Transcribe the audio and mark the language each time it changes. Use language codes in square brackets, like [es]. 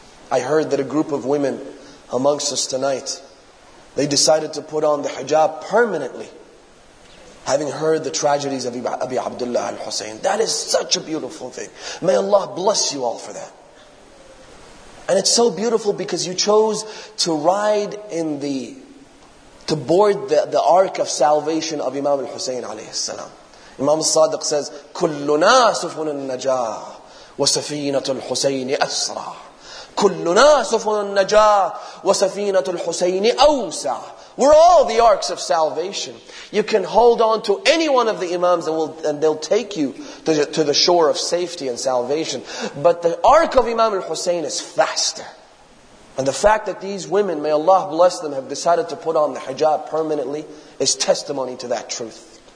[en] I heard that a group of women amongst us tonight, they decided to put on the hijab permanently, having heard the tragedies of Abi Abdullah al-Hussein. That is such a beautiful thing. May Allah bless you all for that. And it's so beautiful because you chose to ride in the, to board the ark of salvation of Imam al-Husayn alayhi salam. Imam al-Sadiq says, [ar] كُلُّنَا سُفُنُ النَّجَاةِ وَسَفِينَةُ الْحُسَيْنِ أَسْرَى كُلُّنَا سُفُنُ النَّجَاةِ وَسَفِينَةُ الْحُسَيْنِ أَوْسَى. [en] We're all the arks of salvation. You can hold on to any one of the imams and, they'll take you to the shore of safety and salvation. But the ark of Imam al-Husayn is faster. And the fact that these women, may Allah bless them, have decided to put on the hijab permanently is testimony to that truth.